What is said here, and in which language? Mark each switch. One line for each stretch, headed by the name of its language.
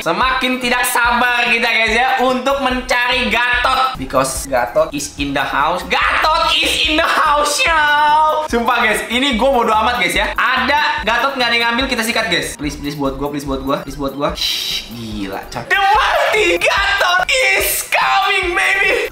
Indonesian: Semakin tidak sabar kita guys ya untuk mencari Gatot.
English: Because Gatot is in the house. Gatot is in the house, yow.
Indonesian: Sumpah guys, ini gue bodo amat guys ya. Ada Gatot gak ada yang ngambil, kita sikat guys.
English: Please, please
Indonesian: buat gue, please buat gue, please buat gue. Gila, cok.
English: The party Gatot is coming, baby.